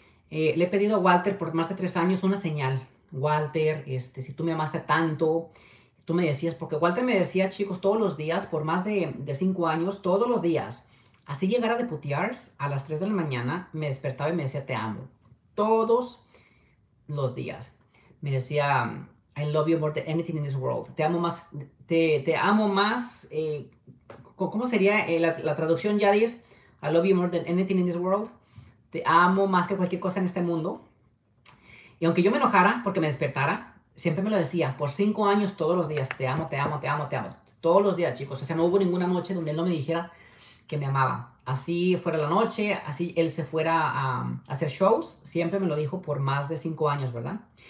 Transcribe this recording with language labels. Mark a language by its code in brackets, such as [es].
[es] Le he pedido a Walter por más de 3 años una señal. Walter, si tú me amaste tanto, tú me decías, porque Walter me decía, chicos, todos los días, por más de 5 años, todos los días, así llegara de putears a las 3 de la mañana, me despertaba y me decía, te amo. Todos los días. Me decía, [en] I love you more than anything in this world. [es] Te amo más, te amo más. ¿Cómo sería la traducción, Yadis? [en] I love you more than anything in this world. [es] Te amo más que cualquier cosa en este mundo. Y aunque yo me enojara porque me despertara, siempre me lo decía por 5 años todos los días, te amo, te amo, te amo, te amo. Todos los días, chicos. O sea, no hubo ninguna noche donde él no me dijera que me amaba. Así fuera la noche, así él se fuera a hacer shows, siempre me lo dijo por más de 5 años, ¿verdad?